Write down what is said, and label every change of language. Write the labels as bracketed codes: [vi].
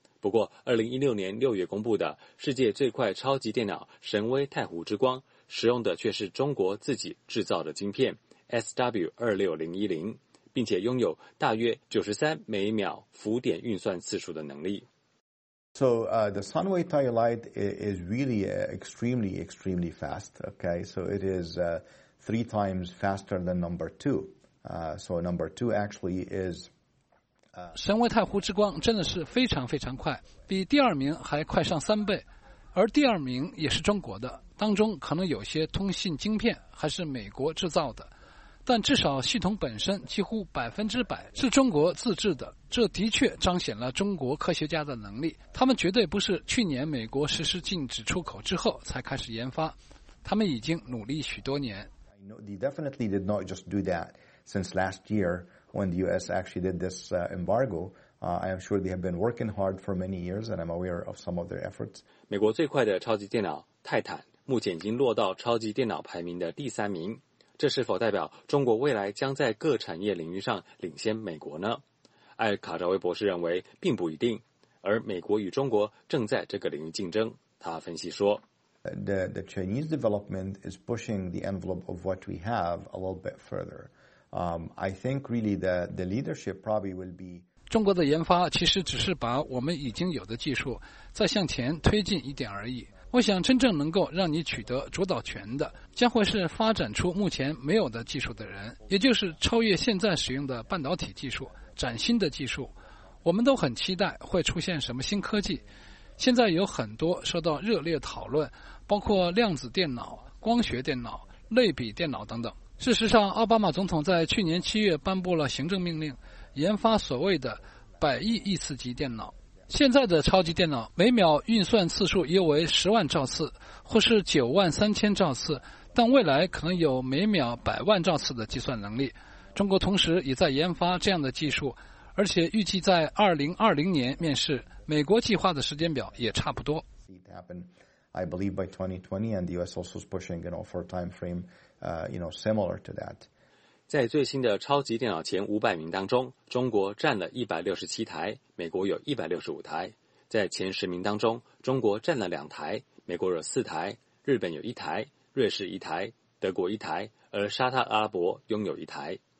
[zh] 不过2016年6月公布的世界最快超级电脑神威太湖之光，使用的却是中国自己制造的晶片 SW26010， 并且拥有大约93每秒浮点运算次数的能力。 [en] So, the Sunway Tai Light is really extremely, extremely fast. Okay, so it is three times faster than number two. So number two actually is. [zh] 神威太湖之光真的是非常非常快，比第二名还快上三倍，而第二名也是中国的，当中可能有些通信晶片还是美国制造的，但至少系统本身几乎100%是中国自制的，这的确彰显了中国科学家的能力。他们绝对不是去年美国实施禁止出口之后才开始研发，他们已经努力许多年。 [en] I know they definitely did not just do that since last year when the U.S. actually did this embargo. I am sure they have been working hard for many years, and I'm aware of some of their efforts. [zh] 美国最快的超级电脑泰坦目前已经落到超级电脑排名的第三名。这是否代表中国未来将在各产业领域上领先美国呢？艾卡扎威博士认为并不一定，而美国与中国正在这个领域竞争。他分析说 [en] The Chinese development is pushing the envelope of what we have a little bit further. I think really the leadership probably will be [zh] 中国的研发其实只是把我们已经有的技术再向前推进一点而已。我想真正能够让你取得主导权的将会是发展出目前没有的技术的人，也就是超越现在使用的半导体技术，崭新的技术。我们都很期待会出现什么新科技，现在有很多受到热烈讨论，包括量子电脑、光学电脑、类比电脑等等。事实上，奥巴马总统在去年7月颁布了行政命令，研发所谓的百亿亿次级电脑。现在的超级电脑每秒运算次数约为10万兆次或是93000兆次，但未来可能有每秒100万兆次的计算能力。中国同时也在研发这样的技术，而且预计在2020年面世，美国计划的时间表也差不多。 [en] I believe by 2020 and the US also is pushing, you know, for a time frame, you know, similar to that. [zh] 在最新的超级电脑前500名当中，中国占了167台，美国有165台。在前10名当中，中国占了2台，美国有4台，日本有1台，瑞士1台，德国1台，而沙特阿拉伯拥有1台。